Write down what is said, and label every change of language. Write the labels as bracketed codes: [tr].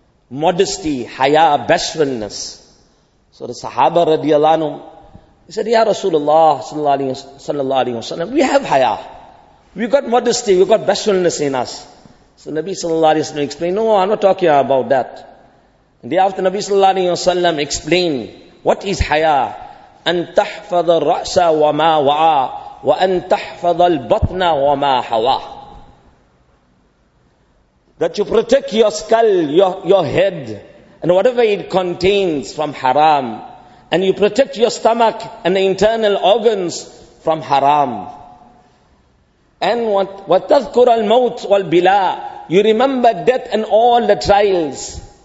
[en] Modesty, haya, bashfulness. So the Sahaba radiallahu anhu, he said, Ya Rasulullah sallallahu alayhi wa sallam, we have haya. We got modesty, we got bashfulness in us. So Nabi sallallahu alayhi wa sallam explained, no, I'm not talking about that. And thereafter Nabi sallallahu alayhi wa sallam explained, what is haya? [ar] أن تحفظ الرأس وما وعى وأن تحفظ البطن وما حوى. [en] That you protect your skull, your head, and whatever it contains from haram. And you protect your stomach and the internal organs from haram. And [ar] وتذكر الموت والبلاء, [en] you remember death and all the trials.